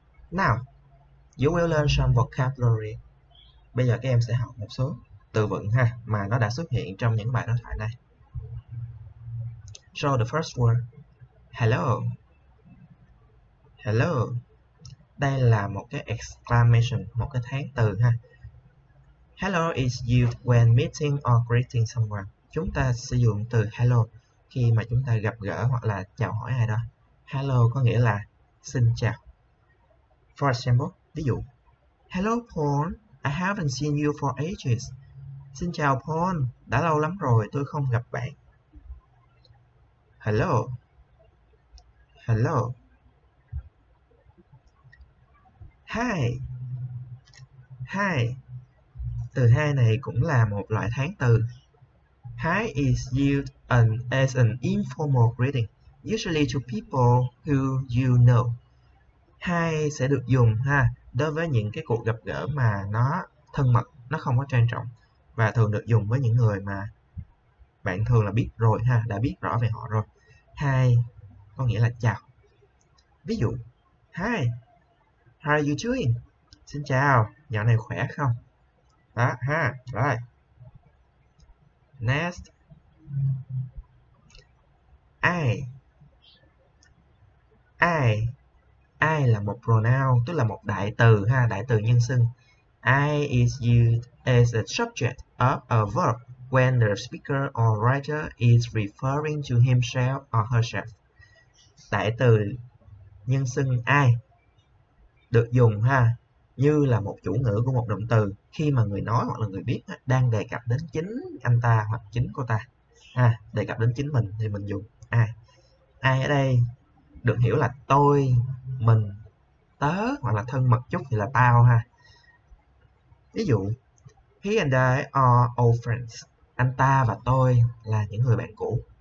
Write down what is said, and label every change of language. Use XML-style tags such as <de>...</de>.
<en>Now, you will learn some vocabulary.</en> <vi>Bây giờ các em sẽ học một số từ vựng ha mà nó đã xuất hiện trong những bài đối thoại này.</vi> <en>So the first word,</en> <vi>hello. Hello, đây là một cái exclamation, một cái thán từ ha.</vi> <en>Hello is used when meeting or greeting someone.</en> <vi>Chúng ta sử dụng từ hello khi mà chúng ta gặp gỡ hoặc là chào hỏi ai đó. Hello có nghĩa là xin chào.</vi> <en>For example,</en> <vi>ví dụ.</vi> <en>Hello Paul, I haven't seen you for ages.</en> <vi>Xin chào Paul, đã lâu lắm rồi tôi không gặp bạn. Hello. Hello. Hi. Hi. Từ hai này cũng là một loại thán từ</vi> <en>Hi is used as an informal greeting, usually to people who you know.</en> <vi>Hi sẽ được dùng ha đối với những cái cuộc gặp gỡ mà nó thân mật, nó không có trang trọng và thường được dùng với những người mà bạn thường là biết rồi ha, đã biết rõ về họ rồi. Hi có nghĩa là chào. Ví dụ,</vi> <en>Hi, how are you doing?</en> <vi>Xin chào, dạo này khỏe không? Đó, ha, rồi. Next, I là một pronoun, tức là một đại từ ha, đại từ nhân xưng.</vi> <en>I is used as a subject of a verb when the speaker or writer is referring to himself or herself.</en> <vi>Đại từ nhân xưng I được dùng ha như là một chủ ngữ của một động từ khi mà người nói hoặc là người viết đang đề cập đến chính anh ta hoặc chính cô ta. Ha, đề cập đến chính mình thì mình dùng I. I ở đây được hiểu là tôi, mình, tớ hoặc là thân mật chút thì là tao ha. Ví dụ,</vi> <en>he and I are old friends.</en> <vi>Anh ta và tôi là những người bạn cũ.</vi>